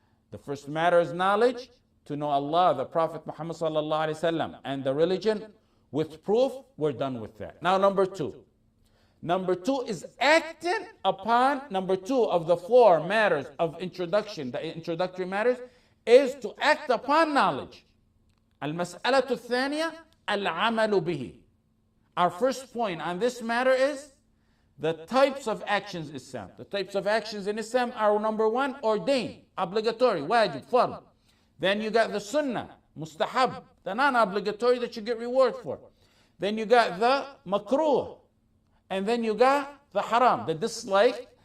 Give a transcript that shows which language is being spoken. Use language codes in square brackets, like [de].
[en] The first matter is knowledge, to know Allah, the Prophet Muhammad sallallahu alaihi wasallam, and the religion. With proof, we're done with that. Now number two. Number two is acting upon number two of the four matters of introduction, the introductory matters, is to act upon knowledge. [ar] المسألة الثانية العمل به. [en] Our first point on this matter is the types of actions Islam. The types of actions in Islam are number one, ordained, obligatory, wajib, fard. Then you got the sunnah, mustahab, the non-obligatory that you get reward for. Then you got the makruh. And then you got the haram, the dislike.